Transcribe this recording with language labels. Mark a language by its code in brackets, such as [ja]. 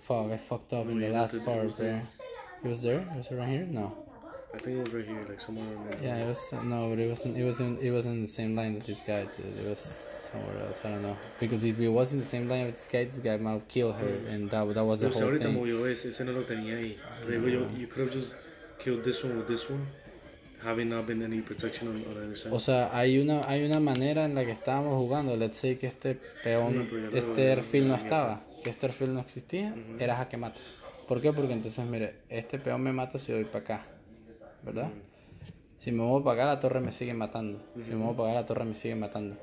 [en] Fuck, I fucked up the last part there. He was there? Was it right here? No. I think it was right here, like somewhere around there. Yeah, it was. No, but it wasn't the same line that this guy did. It was somewhere else. I don't know. Because if it was in the same line with this guy might kill her, and that was the whole thing. [es] Ahorita movió ese, ese no lo tenía ahí. [en] You could have just killed this one with this one, having not been any protection on either side. [es] O sea, hay una manera en la que estábamos jugando. [en] Let's say [es] que este peón, este alfil no estaba, que este alfil no existía, mm-hmm. Era jaque mate. ¿Por qué? Porque entonces, mire, este peón me mata si voy para acá, ¿verdad? Mm-hmm. Si me muevo para acá, la torre me sigue matando. Mm-hmm. Si me muevo para acá, la torre me sigue matando.